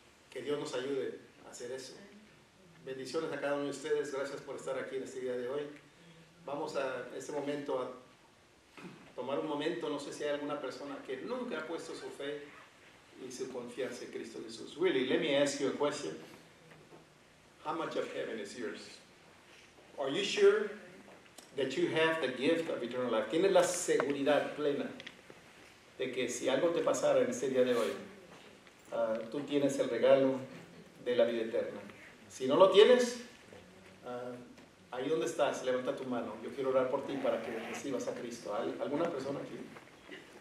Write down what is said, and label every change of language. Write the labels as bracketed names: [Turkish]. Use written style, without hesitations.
[Spanish] Que Dios nos ayude a hacer eso. Bendiciones a cada uno de ustedes. Gracias por estar aquí en este día de hoy. Vamos a este momento a tomar un momento. No sé si hay alguna persona que nunca ha puesto su fe y su confianza en Cristo Jesús. [English] Willie, let me ask you a question. How much of heaven is yours? Are you sure that you have the gift of eternal life? [Spanish] ¿Tienes la seguridad plena de que si algo te pasara en este día de hoy, tú tienes el regalo de la vida eterna? Si no lo tienes, ahí donde estás, levanta tu mano. Yo quiero orar por ti para que recibas a Cristo. ¿Alguna persona aquí?